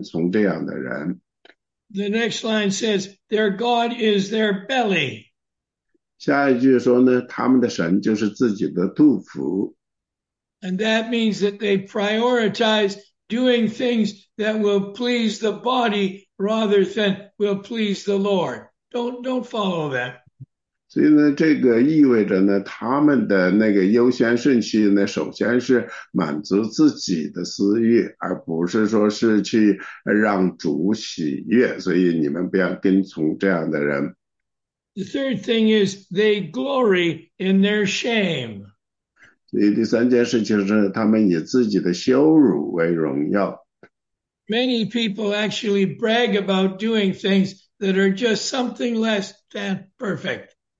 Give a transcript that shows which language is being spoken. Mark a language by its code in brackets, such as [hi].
[zh] 因为有时候呢，你就能看到这些人的结局。如果他们的结局就是灭亡的说话，那么如果他们不跟从主的话，他们就必然灭亡。所以你们呢，也不要跟从这样的人。 [en] The next line says, their God is their belly. [zh] 下一句说呢，他们的神就是自己的肚腹。 [en] And that means that they prioritize doing things that will please the body rather than will please the Lord. Don't follow that. [zh] 所以呢，这个意味着呢，他们的那个优先顺序呢，首先是满足自己的私欲，而不是说是去让主喜悦。所以你们不要跟从这样的人。 [en] The third thing is they glory in their shame. [zh] 所以第三件事情是，他们以自己的羞辱为荣耀。 [en] Many people actually brag about doing things that are just something less than perfect.